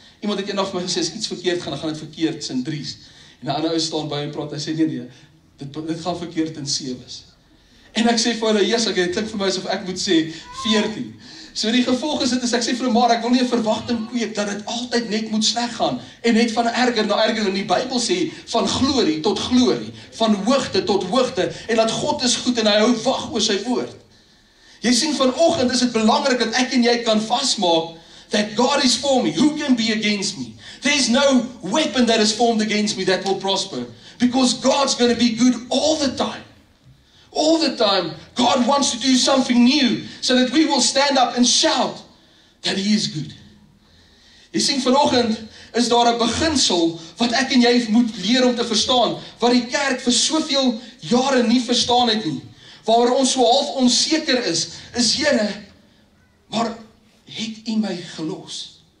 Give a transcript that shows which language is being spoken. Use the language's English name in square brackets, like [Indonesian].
[Afrikaans] Iemand het eendag vir my gesê, as iets verkeerd gaan, dan gaan dit verkeerd in 3's. En die ander ou staan by en praat, hy sê, nee, dit gaan verkeerd in 7's. En ek sê vir hulle, Jesus, ek het klik vir my, asof ek moet sê, 14. So die gevolg is dit, is ek sê vir hom, maar ek wil nie 'n verwagting kweek dat dit altyd net moet sleg gaan en net van erger na erger, en die Bybel sê van glorie tot glorie, van hoogte tot hoogte, en dat God is goed en hy hou wag oor sy woord. Jy sien vanoggend is dit belangrik dat ek en jy kan vasmaak [English] that God is for me, who can be against me? There's no weapon that is formed against me that will prosper, because God's going to be good all the time. All the time, God wants to do something new so that we will stand up and shout that He is good. [Afrikaans] Jy sien, vanoggend is daar 'n beginsel wat ek en jy moet leer om te verstaan, wat die kerk vir soveel jare nie verstaan het nie, waar ons so half onseker is, is Here, maar het U my gelos?